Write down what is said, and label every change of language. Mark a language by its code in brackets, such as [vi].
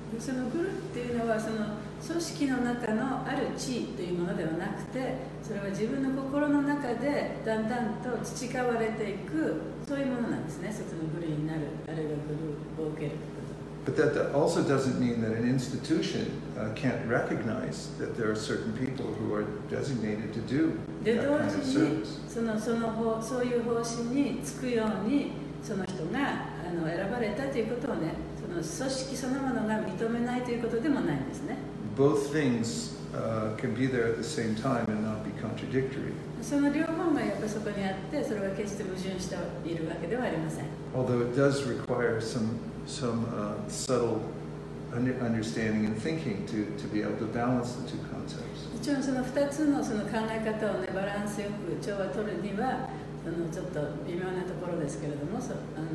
[ja] そのグルっていうのはその組織の中のある地位というものではなくて、それは自分の心の中でだんだんと培われていくそういうものなんですね。そのグルになるあるいはグルを受けること。 [en] But that also doesn't mean that an institution can't recognize that there are certain people who are designated to do that kind of service. [ja] で、同時にそういう方針につくようにその人が選ばれたということをね、その組織そのものが認めないということでもないんですね。 [en] Both things can be there at the same time and not be contradictory. [ja] その両方がやっぱりそこにあって、それは決して矛盾しているわけではありません。 [en] Although it does require some subtle understanding and thinking to be able to balance the two concepts. [ja] もちろんその2つのその考え方をねバランスよく調和取るにはそのちょっと微妙なところですけれども、そあの